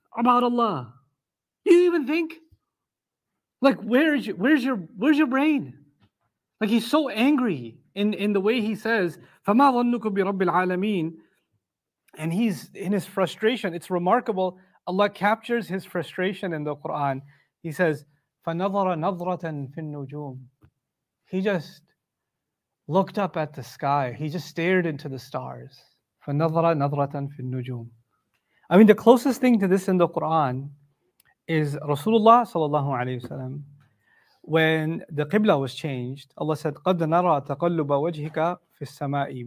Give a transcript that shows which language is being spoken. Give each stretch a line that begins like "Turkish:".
English: about Allah? Do you even think? Like, where's your brain? Like, he's so angry in the way he says,
Arabic: فَمَا ظَنُّكُ بِرَبِّ الْعَالَمِينَ.
English: And he's in his frustration. It's remarkable. Allah captures his frustration in the Quran. He says,
Arabic: فَنَظَرَ نَظْرَةً فِي النُّجُومِ.
English: He just looked up at the sky. He just stared into the stars.
Arabic: فَنَظَرَ نَظْرَةً فِي النُّجُومِ.
English: I mean, the closest thing to this in the Quran is Rasulullah sallallahu alayhi wasallam. When the Qibla was changed, Allah said,
Arabic: قَدْ نَرَى تَقَلُّبَ وَجْهِكَ فِي السَّمَاءِ.